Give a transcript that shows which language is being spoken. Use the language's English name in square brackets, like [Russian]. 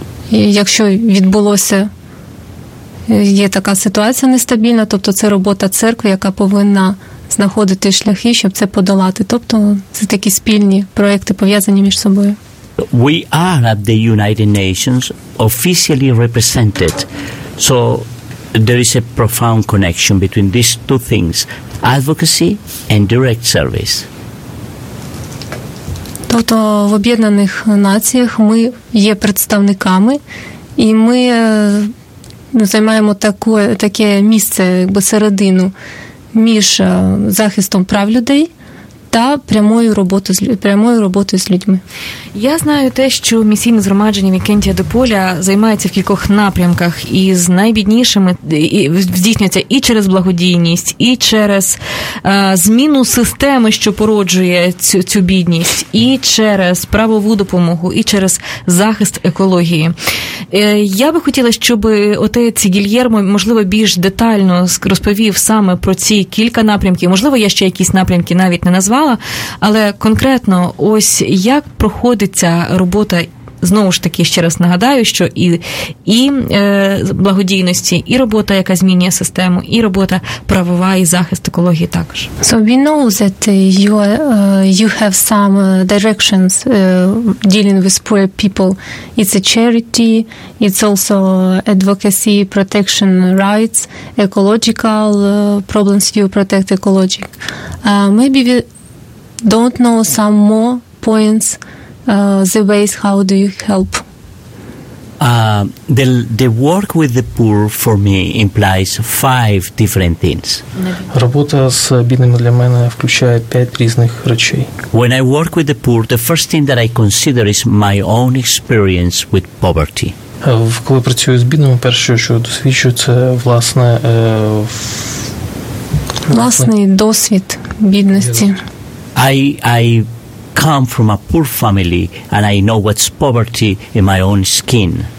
[Ukrainian] Якщо відбулося, є така ситуація нестабільна, тобто це робота церкви, яка повинна знаходити шляхи, щоб це подолати. Тобто це такі спільні проекти, пов'язані між собою. [English] We are at the United Nations officially represented. So there is a profound connection between these two things: advocacy and direct service. [Ukrainian] Тобто в Об'єднаних Націях ми є представниками, і ми займаємо таке місце, якби середину між захистом прав людей та прямою роботою з людьми. Я знаю те, що місійне згромадження Вікентія де Поля займається в кількох напрямках, і з найбіднішими здійснюється і через благодійність, і через зміну системи, що породжує цю бідність, і через правову допомогу, і через захист екології. Я би хотіла, щоб отець Гільєрмо, можливо, більш детально розповів саме про ці кілька напрямків. Можливо, я ще якісь напрямки навіть не назвала, але конкретно ось як проходить ця робота, знову ж таки, ще раз нагадаю, що і благодійності, і робота, яка змінює систему, і робота правова, і захист екології також. [English] So we know that you have some directions dealing with poor people. It's a charity, it's also advocacy, protection rights, ecological problems, you protect ecology. Maybe we don't know some more points, the ways how do you help? The work with the poor for me implies 5 different things. [Ukrainian] Робота з бідними для мене включає 5 різних речей. [English] When I work with the poor, the first thing that I consider is my own experience with poverty. [Ukrainian] Коли працюю з бідними, перше, що досвідчую, це власний досвід бідності. [English] I come from a poor family and I know what's poverty in my own skin.